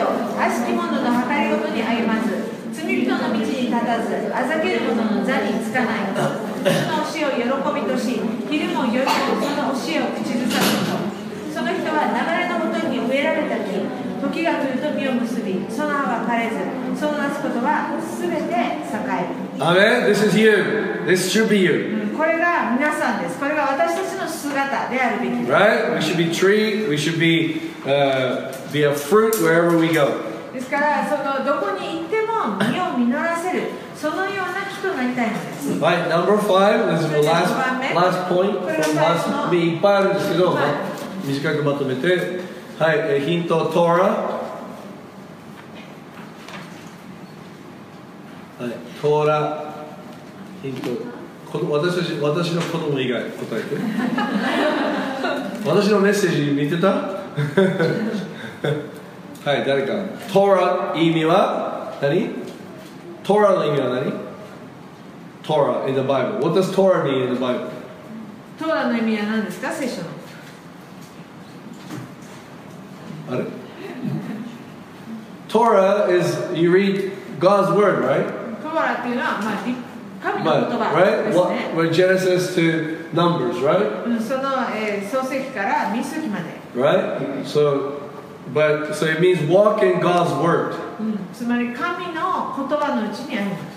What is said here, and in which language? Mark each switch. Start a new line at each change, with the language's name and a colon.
Japanese: よ、悪しき者の計りごとに励まず、罪人の道に立たず、あざける者の座につかないこと、主の教えを喜びとし、昼も夜もその教えを口ずさむこと。その人は流れのほとりに植えられた木、時が来ると実を結び、その葉は枯れず、そのなすことはすべて栄える。
English: アメン。This is you. This should be you.
Japanese: これが皆さんです。これが私たちの姿であるべき。
English: Right? We should be tree. We should be, be a fruit wherever we go.
Japanese: ですから、そのどこに行っても実を実らせる、そのような木となりたいのです。
English: Right, number five. This is the last point from last week.
Japanese: いっぱいあるんですけど、短くまとめて、はい、ヒント、トーラ、はい、トーラ、ヒント、私の子供以外答えて。私のメッセージ見てた？はい、誰か。トーラ意味は何？トーラの意味は何？トーラ
English: in the Bible. What does Torah mean in the Bible?
Japanese: トーラの意味は何ですか、聖書の。
English: あれ、トーラ is you read God's word, right?
Japanese: トーラっていうのは、まあ、神の言葉ですね。
English: Right? What, where Genesis to Numbers, right?
Japanese: その、創世記から民数記まで。
English: Right? So, but, so it means walk in God's word.
Japanese: つまり神の言葉のうちにあります